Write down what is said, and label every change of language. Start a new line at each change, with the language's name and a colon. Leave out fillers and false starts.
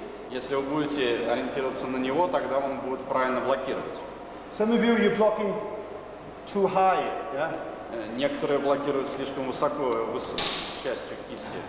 Russian: Если вы будете ориентироваться на него, тогда он будет правильно блокировать.
English: Some of you, you're blocking too high, yeah?
Russian: Некоторые блокируют слишком высоко, высокую часть кисти.